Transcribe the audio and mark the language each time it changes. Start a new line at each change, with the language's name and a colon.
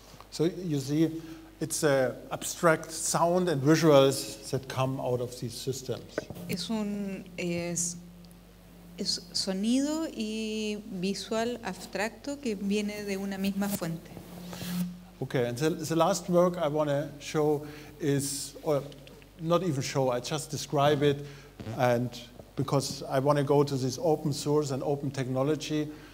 English: So you see, it's abstract sound and visuals that come out of these systems.
Spanish: Es un es sonido y visual abstracto que viene de una misma fuente.
English: Okay, and the last work I want to show is, or not even show, I just describe it, and because I want to go to this open source and open technology.